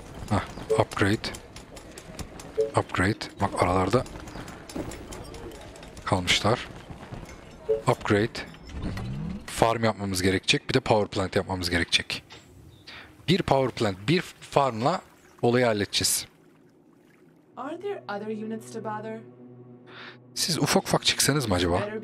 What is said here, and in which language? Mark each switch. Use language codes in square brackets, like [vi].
[tr] Hah, upgrade. Upgrade. Bak aralarda kalmışlar. Upgrade. Farm yapmamız gerekecek. Bir de power plant yapmamız gerekecek. Bir power plant, bir farmla olayı halledeceğiz. [en] Are there other units to bother? [tr] Siz ufak ufak çıksanız mı acaba?